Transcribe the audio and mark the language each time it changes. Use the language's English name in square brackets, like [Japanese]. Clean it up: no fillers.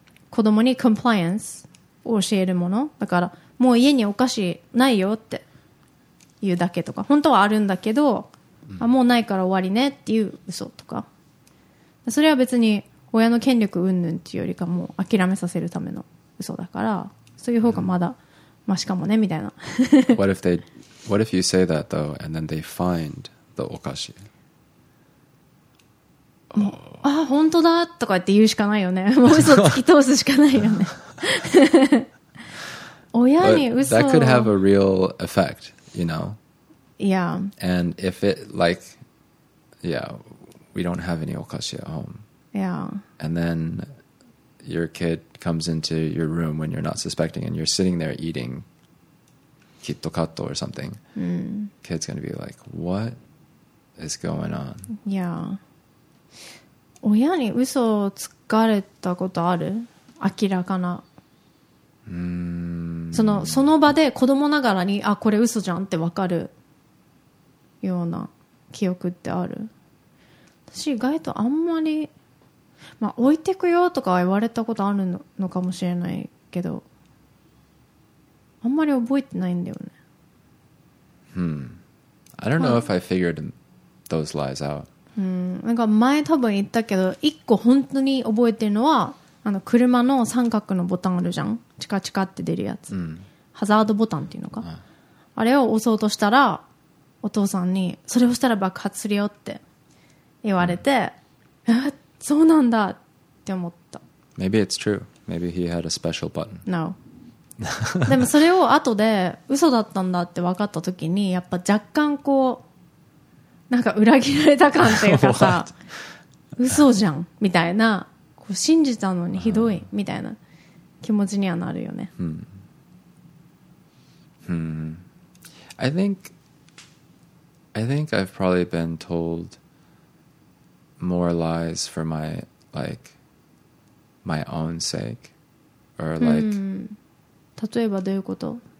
[Japanese] 子供にコンプライアンスを教えるもの、だからもう家にお菓子ないよって言うだけとか、本当はあるんだけど、あ、もうないから終わりねっていう嘘とか、それは別に親の権力云々っていうよりかも諦めさせるための嘘だから、そういう方がまだマシかもねみたいな。 [English] What if you say that though, and then they find the お菓子？ [Japanese] もう、あ、本当だとか言って言うしかないよね。もう嘘突き通すしかないよね。親に嘘。 [English] But that could have a real effect, you know? Yeah. And if it like, yeah, we don't have any お菓子 at home. Yeah. And then your kid comes into your room when you're not suspecting and you're sitting there eating KitKator something. Kid's going to be like, what is going on? Yeah. [Japanese] 親に嘘をつかれたことある？明らかな。その場で子供ながらに、あ、これ嘘じゃんって分かるような記憶ってある？私意外とあんまり、まあ、置いてくよとか言われたことあるのかもしれないけど、あんまり覚えてないんだよね。 [English] I don't know if I figured those lies out. [Japanese] なんか前多分言ったけど、一個本当に覚えてるのは、あの車の三角のボタンあるじゃん、チカチカって出るやつ、ハザードボタンっていうのか、あれを押そうとしたらお父さんにそれをしたら爆発するよって言われて、そうなんだって思った。 [English] Maybe it's true. Maybe he had a special button. No. [Japanese] でもそれを後で嘘だったんだって分かった時に、やっぱ若干こうなんか裏切られた感っていうかさ、嘘じゃんみたいな、こう信じたのにひどいみたいな気持ちにはなるよね。 [English] I think I've probably been toldmore lies for my, like, my own sake, or like, [Japanese] 例えばどういうこと？